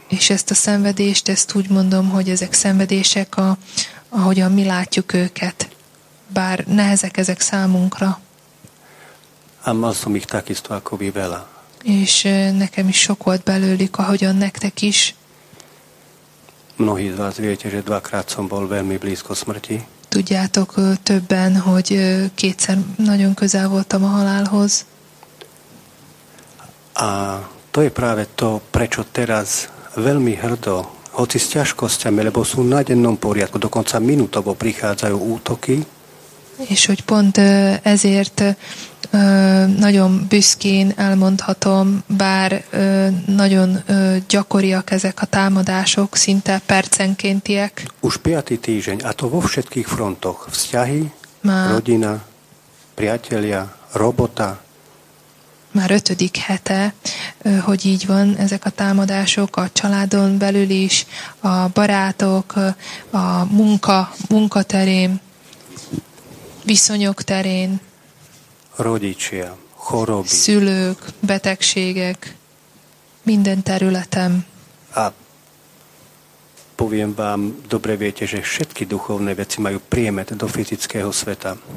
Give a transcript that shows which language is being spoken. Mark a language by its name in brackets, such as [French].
[Hungarian] És ezt a szenvedést, ezt úgy mondom, hogy ezek szenvedések, ahogyan mi látjuk őket, bár nehezek ezek számunkra. Ám azt mondom, hogy [Slovak] takisto, ako vi vela. [Hungarian] És nekem is sok volt belőlük, ahogyan nektek is. [Slovak] Mnohí z vás viete, že dvakrát som bol veľmi blízko smrti. [Hungarian] Tudjátok többen, hogy kétszer nagyon közel voltam a halálhoz. [Slovak] A to je práve to, prečo teraz veľmi hrdo, hoci s ťažkosťami, lebo sú na dennom poriadku, dokonca minútovo prichádzajú útoky. [Hungarian] És hogy pont ezért nagyon büszkén elmondhatom, bár nagyon gyakoriak ezek a támadások, szinte percenkéntiek. [Slovak] Už 5. týždeň, a to vo všetkých frontoch, vzťahy, rodina, priatelia, robota. [Hungarian] Már 5. hete, hogy így van ezek a támadások a családon belül is, a barátok, a munkaterén, viszonyok terén. [Slovak] Rodičia, choroby. [Hungarian] Szülők, betegségek, minden területem. [Slovak] A poviem vám, dobre viete, že všetky duchovné veci majú priemet do fyzického sveta.